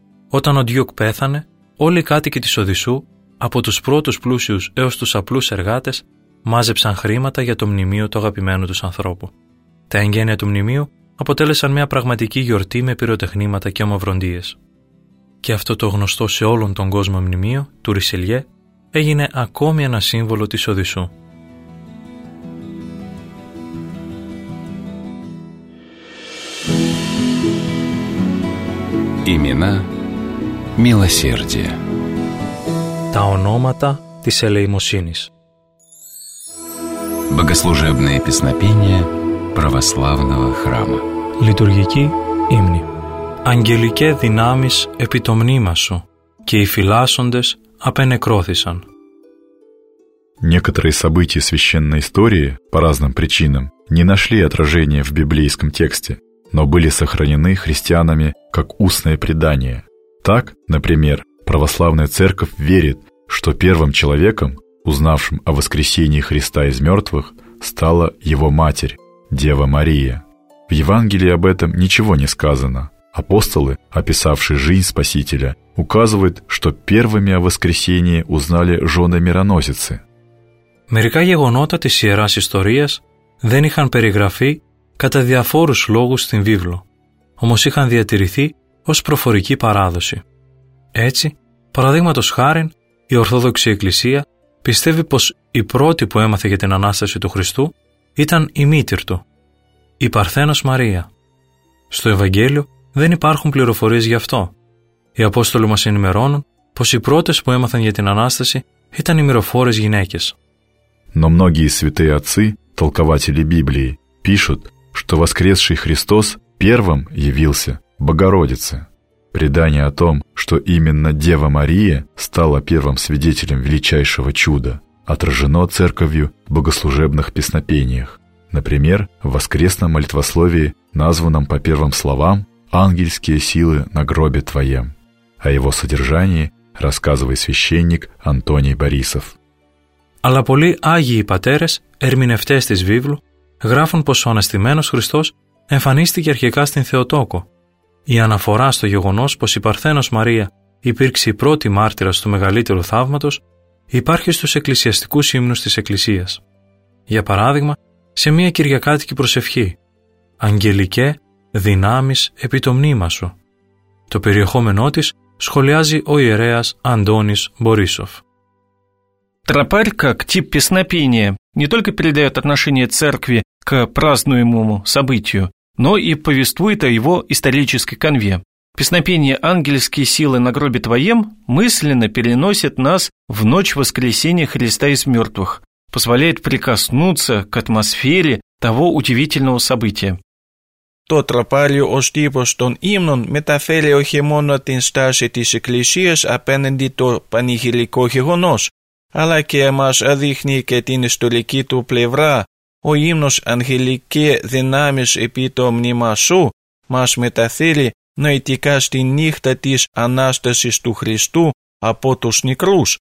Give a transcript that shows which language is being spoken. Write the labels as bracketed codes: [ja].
[el] Όταν ο Дюк πέθανε, όλοι οι κάτοικοι της Οδυσσού, από τους πρώτους πλούσιους έως τους απλούς εργάτες, μάζεψαν χρήματα για το μνημείο του αγαπημένου τους ανθρώπου. Τα εγγένεια του μνημείου αποτέλεσαν μια πραγματική γιορτή με πυροτεχνήματα και ομοβροντίες. Και αυτό το γνωστό σε όλον τον κόσμο μνημείο του Ρισελιέ έγινε ακόμη ένα σύμβολο της Οδυσσού. [ru] Имена милосердия. [el] Τα ονόματα της ελεημοσύνης. [ru] Богослужебные песнопения православного храма. [el] Λειτουργική ύμνη. Αγγελικέ δυνάμεις επί το μνήμα σου και οι φυλάσσοντες απενεκρώθησαν. [ru] Некоторые события священной истории, по разным причинам, не нашли отражения в библейском тексте, но были сохранены христианами как устное предание. Так, например, православная церковь верит, что первым человеком, узнавшим о воскресении Христа из мертвых, стала его матерь, Дева Мария. В Евангелии об этом ничего не сказано, Апостолы, описавшие жизнь Спасителя, указывают, что первыми о воскресении узнали жены мироносицы. [el] Мерика γεγονότα της Ιεράς Ιστορίας δεν είχαν περιγραφεί κατά διαφόρους λόγους στην βίβλο, όμως είχαν διατηρηθεί ως προφορική παράδοση. Έτσι, παραδείγματος χάριν, η Ορθόδοξη Εκκλησία πιστεύει πως η πρώτη που έμαθε για την Ανάσταση του Χριστού ήταν η μήτυρ του, η Παρθένος Μαρία. Στο Ευαγγέλιο δεν υπάρχουν πληροφορίες γι' αυτό. Οι Απόστολοι μας ενημερώνουν πως οι πρώτες που έμαθαν για την Ανάσταση ήταν οι μυροφόρες γυναίκες. [ru] Но многие святые отцы, толкователи Библии, пишут, что воскресший Христос первым явился Богородице. Предание о том, что именно Дева Мария стала первым свидетелем величайшего чуда, отражено Церковью в богослужебных песнопениях. Например, в воскресном молитвословии, названном по первым словам «Ангельские силы на гробе Твоем». О его содержании рассказывает священник Антоний Борисов. [el] Αλλά πολλοί Άγιοι Πατέρες, ερμηνευτές της Βίβλου, γράφουν πως ο Αναστημένος Χριστός εμφανίστηκε αρχικά στην Θεοτόκο. Η αναφορά στο γεγονός πως η Παρθένος Μαρία υπήρξε η πρώτη μάρτυρα του μεγαλύτερου θαύματος υπάρχει στους εκκλησιαστικούς ύμνους της Εκκλησίας. Για παράδειγμα, σε μια κυριακάτικη προσευχή «Αγγελικέ, δυνάμεις επί το μνήμα σου». Το περιεχόμενό της σχολιάζει ο ιερέας Αντώνης Μπορίσοφ. [ru] Тропарь, как тип песнопения, не только передает отношение церкви к празднуемому событию, но и повествует о его исторической канве. Песнопение «Ангельские силы на гробе твоем» мысленно переносит нас в ночь воскресения Христа из мертвых, позволяет прикоснуться к атмосфере того удивительного события. [el] Το τροπάριο ως τύπος των ύμνων μεταφέρει όχι μόνο την στάση της Εκκλησίας απέναντι το πανηγυρικό γεγονός, αλλά και μας δείχνει και την ιστορική του πλευρά. Ο ύμνος «Αγγελικέ δυνάμεις επί το μνήμα σου» μας μεταφέρει νοητικά στη νύχτα της Ανάστασης του Χριστού από τους νεκρούς.